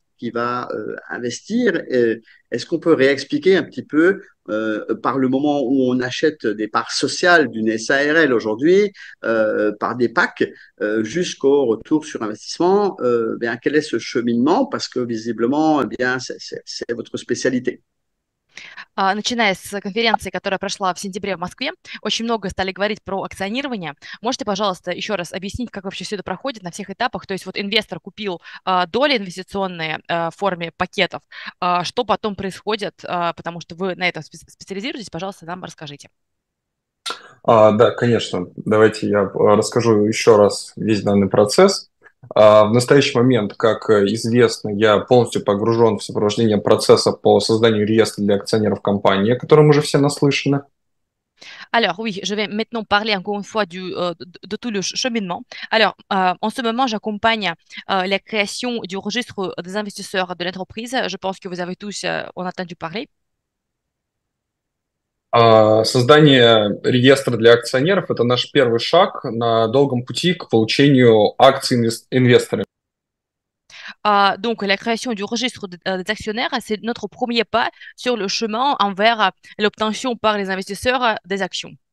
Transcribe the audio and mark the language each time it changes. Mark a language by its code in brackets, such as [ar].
[fr] qui va investir. Est-ce qu'on peut réexpliquer un petit peu par le moment où on achète des parts sociales d'une SARL aujourd'hui, par des PAC, jusqu'au retour sur investissement, bien, quel est ce cheminement? Parce que visiblement, eh bien, c'est votre spécialité. [ru] Начиная с конференции, которая прошла в сентябре в Москве, очень много стали говорить про акционирование. Можете, пожалуйста, еще раз объяснить, как вообще все это проходит на всех этапах? То есть вот инвестор купил доли инвестиционные в форме пакетов. Что потом происходит? Потому что вы на этом специализируетесь. Пожалуйста, нам расскажите. Да, конечно. Давайте я расскажу еще раз весь данный процесс. В настоящий момент, как известно, я полностью погружен в сопровождение процесса по созданию реестра для акционеров компании, о котором уже все наслышаны. [fr] Alors oui, je vais maintenant parler encore une fois de tout le cheminement. Alors, en ce moment, j'accompagne la création du registre des investisseurs de l'entreprise. Je pense que vous avez tous en entendu parler. [ru] Создание реестра для акционеров – это наш первый шаг на долгом пути к получению акций инвесторами. [fr] Donc, la création du registre des actionnaires, c'est notre premier pas sur le chemin envers l'obtention par les investisseurs des actions.